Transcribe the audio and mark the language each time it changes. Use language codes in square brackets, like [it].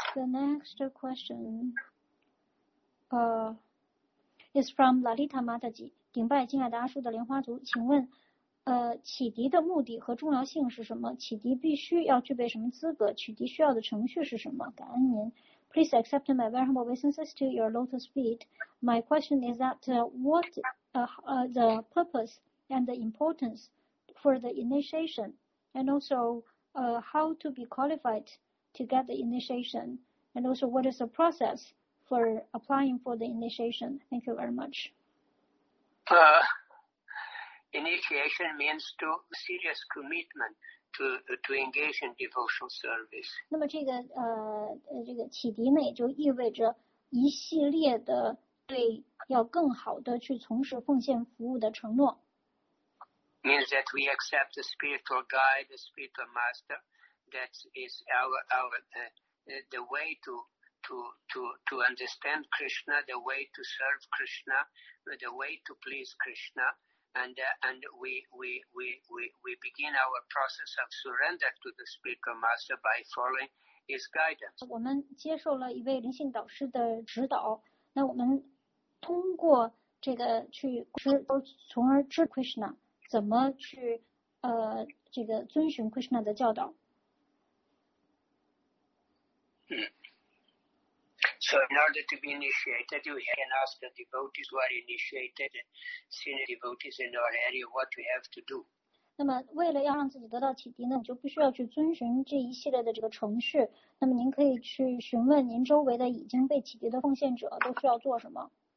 [en] The next question is from Lalita Mataji. [zh] 顶拜敬爱的阿叔的莲花族，请问启迪的目的和重要性是什么？启迪必须要具备什么资格？启迪需要的程序是什么？感恩您。 [en] Please accept my very humble obeisances to your lotus feet. My question is that the purpose and the importance for the initiation, and also how to be qualified to get the initiation, and also what is the process for applying for the initiation. Thank you very much. Initiation means to serious commitment to engage in devotional service. [zh] 那么这个启迪呢，也就意味着一系列的对要更好的去从事奉献服务的承诺。 [en] Means that we accept the spiritual guide, the spiritual master, that is the way to understand Krishna, the way to serve Krishna, the way to please Krishna, and we begin our process of surrender to the spiritual master by following his guidance. [zh] 我们接受了一位灵性导师的指导，那我们通过这个去知，从而知 Krishna 怎么去这个遵循 Krishna 的教导。 [en] So in order to be initiated, we can ask the devotees who are initiated, senior devotees in our area, what we have to do. [zh] 那么为了要让自己得到启迪呢，你就必须要去遵循这一系列的这个程序。那么您可以去询问您周围的已经被启迪的奉献者都需要做什么。